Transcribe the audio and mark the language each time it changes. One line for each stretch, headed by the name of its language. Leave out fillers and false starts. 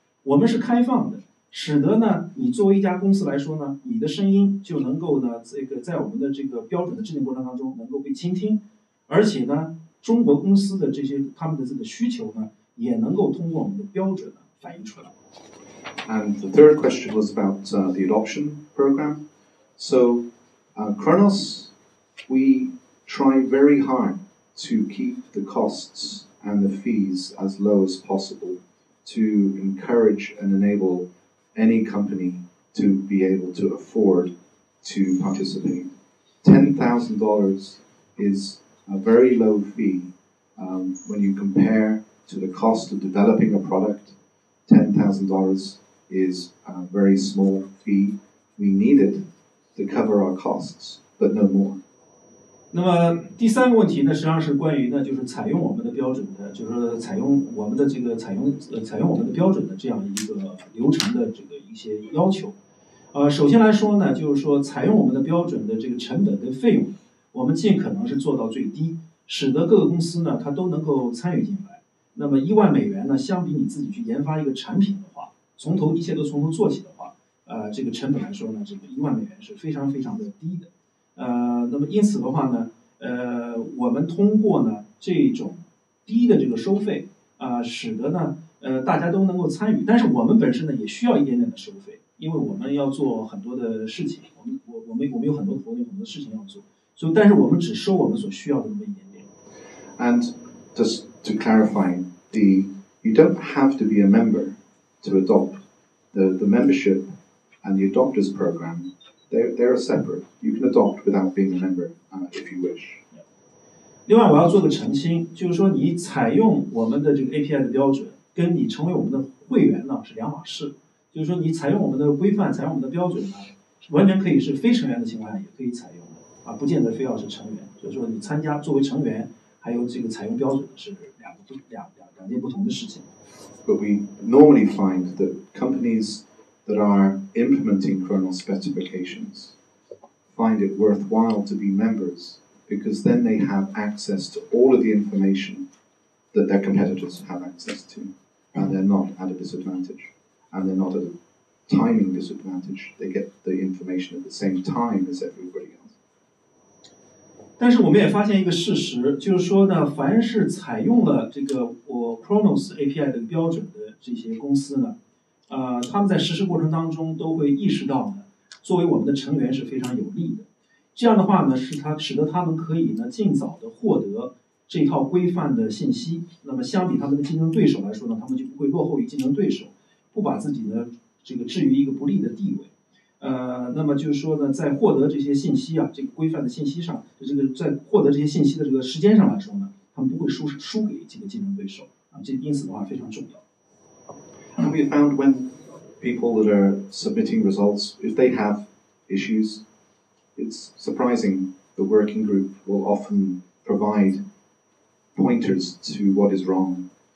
Chinese: 我们是开放的，使得呢你作为一家公司来说呢，你的声音就能够呢这个在我们的这个标准的制定过程当中能够被倾听，而且呢中国公司的这些他们的这个需求呢也能够通过我们的标准呢反映出来。
English: And the third question was about the adoption program. So, Khronos, we try very hard to keep the costs and the fees as low as possible to encourage and enable any company to be able to afford to participate. $10,000 is a very low fee when you compare to the cost of developing a product. $10,000is a very small fee. We need it to cover our costs, but no more.
Chinese: 那么第三个问题呢，实际上是关于呢，就是采用我们的标准的，就是采用我们的这个采用我们的标准的这样一个流程的这个一些要求。首先来说呢，就是说采用我们的标准的这个成本跟费用，我们尽可能是做到最低，使得各个公司呢，它都能够参与进来。那么$10,000呢，相比你自己去研发一个产品，从头一切都从头做起的话，这个成本来说呢，这个$10,000是非常非常的低的，那么因此的话呢，我们通过呢这种低的这个收费，使得呢，大家都能够参与，但是我们本身呢也需要一点点的收费，因为我们要做很多的事情，我们有很多活动，很多事情要做，所以但是我们只收我们所需要的那么一点点。
English: And just to clarify, you don't have to be a member. To adopt the membership and the adopters program, they are separate. You can adopt without being a member, if you wish.
Chinese: 另外，我要做个澄清，就是说你采用我们的这个 API 的标准，跟你成为我们的会员呢是两码事。就是说你采用我们的规范，采用我们的标准呢，完全可以是非成员的情况下也可以采用的，不见得非要是成员。就是说你参加作为成员，还有这个采用标准是两件不同的事情。
English: But we normally find that companies that are implementing Khronos specifications find it worthwhile to be members because then they have access to all of the information that their competitors have access to, and they're not at a disadvantage, and they're not at a timing disadvantage. They get the information at the same time as everybody else.
Chinese: 但是我们也发现一个事实，就是说呢，凡是采用了这个我 Khronos API 的标准的这些公司呢，他们在实施过程当中都会意识到呢，作为我们的成员是非常有利的。这样的话呢，使得他们可以呢尽早的获得这套规范的信息。那么相比他们的竞争对手来说呢，他们就不会落后于竞争对手，不把自己的这个置于一个不利的地位。那么就是说呢，在获得这些信息啊，这个规范的信息上，这个在获得这些信息的这个时间上来说呢，他们不会输给这个竞争对手啊，这因此的话非常重要。
English: And we found when people that are submitting results, if they have issues, it's surprising the working group will often provide pointers to what is wrong.